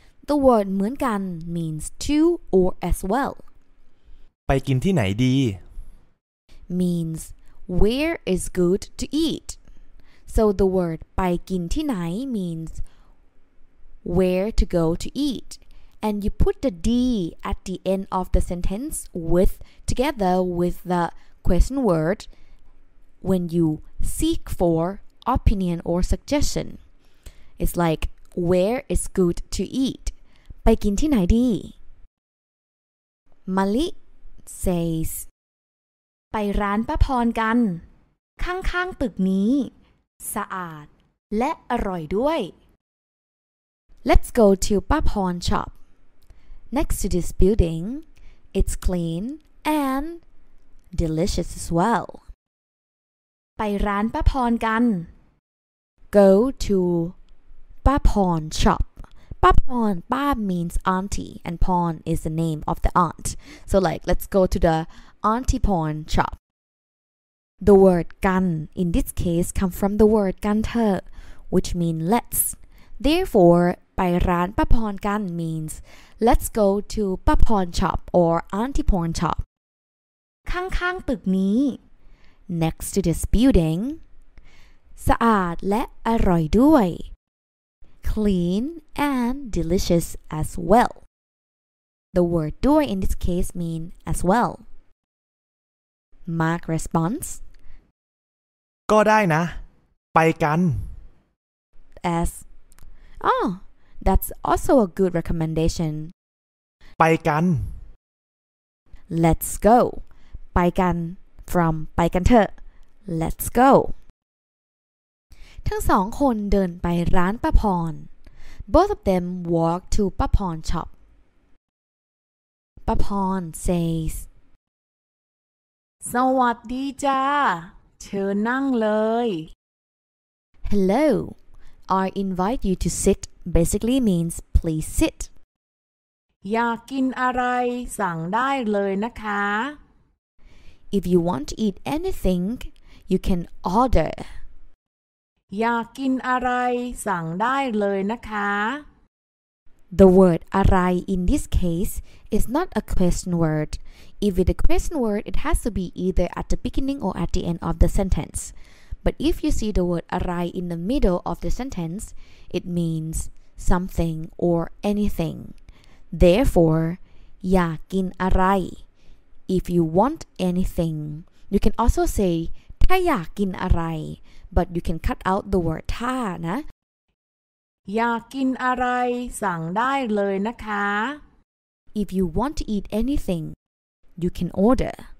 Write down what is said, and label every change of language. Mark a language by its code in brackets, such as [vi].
[en] The word เหมือนกัน means too or as well. [th] ไปกินที่ไหนดี [en] means where is good to eat. So the word [th] ไปกินที่ไหน [en] means where to go to eat. And you put the D at the end of the sentence with together with the question word when you seek forOpinion or suggestion. It's like, where is good to eat? [th] ไปกินที่ไหนดี [en] Mali says, [th] ไปร้านป้าพรกันข้างๆตึกนี้สะอาดและอร่อยด้วย [en] Let's go to ป้าพร shop. Next to this building, it's clean and delicious as well. [th] ไปร้านป้าพรกัน [en] Go to ป้าพร shop. ป้าพร ป้า means auntie and pawn is the name of the aunt. So like, let's go to the auntie pawn shop. The word กัน in this case come from the word กันเถอะ which mean let's. Therefore, [th] ไปร้านป้าพรกัน [en] means let's go to ป้าพร shop or auntie pawn shop. [th] ข้างข้างตึกนี้ [en] next to this building. [th] สะอาดและอร่อยด้วย [en] clean and delicious as well. The word ด้วย in this case mean as well. Mark responds. [th] ก็ได้นะไปกัน [en] as oh, that's also a good recommendation. [th] ไปกัน [en] let's go. ไปกัน from ไปกันเถอะ let's go. [th] ทั้งสองคนเดินไปร้านป้าพร [en] Both of them walk to ป้าพร shop. ป้าพร says [th] สวัสดีจ้าเชิญนั่งเลย [en] Hello, I invite you to sit basically means please sit. [th] อยากกินอะไรสั่งได้เลยนะคะ [en] If you want to eat anything, you can order. [th] อยากกินอะไรสั่งได้เลยนะคะ [en] The word อะไร in this case is not a question word. If it's a question word, it has to be either at the beginning or at the end of the sentence. But if you see the word อะไร in the middle of the sentence, it means something or anything. Therefore, อยากกินอะไร If you want anything, you can also say [th] ถ้าอยากกินอะไร [en] But you can cut out the word ถ้านะ [th] อยากกินอะไรสั่งได้เลยนะคะ [en] If you want to eat anything, you can order.